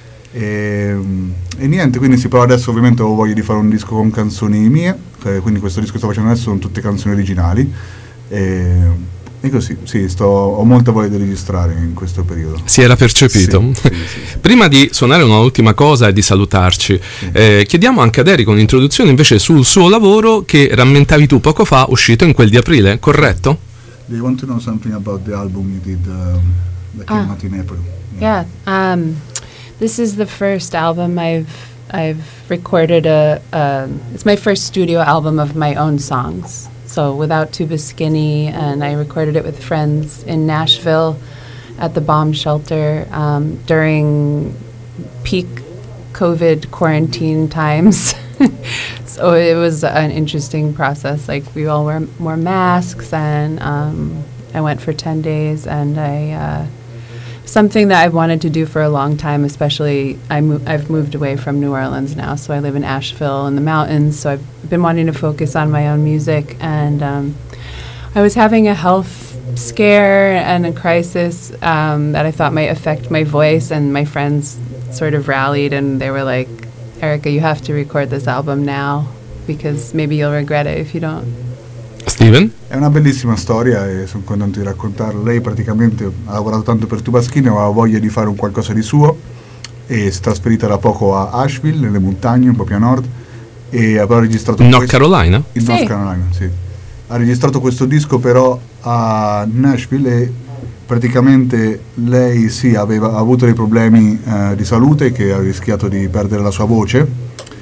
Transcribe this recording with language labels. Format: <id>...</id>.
<it>E niente, quindi si prova adesso, ovviamente ho voglia di fare un disco con canzoni mie, quindi questo disco che sto facendo adesso sono tutte canzoni originali, e così, sì, ho molta voglia di registrare in questo periodo. Si era percepito. Sì, sì, sì, sì. Prima di suonare un'ultima cosa e di salutarci, chiediamo anche ad Erika un'introduzione invece sul suo lavoro che rammentavi tu poco fa, uscito in quel di aprile, corretto?</it> <en>Do you want to know something about the album you did that came out in April? Yeah. This is the first album I've recorded. It's my first studio album of my own songs. So without Tuba Skinny, and I recorded it with friends in Nashville at the bomb shelter during peak COVID quarantine times. So it was an interesting process. Like, we all wore masks, and I went for 10 days, and I... something that I've wanted to do for a long time, especially I've moved away from New Orleans now, so I live in Asheville in the mountains, so I've been wanting to focus on my own music, and I was having a health scare and a crisis that I thought might affect my voice, and my friends sort of rallied, and they were like, Erika, you have to record this album now, because maybe you'll regret it if you don't. Steven?</en> <it>È una bellissima storia e sono contento di raccontarla. Lei praticamente ha lavorato tanto per Tuba Skinny, aveva voglia di fare un qualcosa di suo e si è trasferita da poco a Asheville, nelle montagne, un po' più a nord, e ha registrato...</it> <en>North</en> <it>Carolina, sì. Ha registrato questo disco però a Nashville, e praticamente lei, sì, aveva avuto dei problemi di salute, che ha rischiato di perdere la sua voce.</it>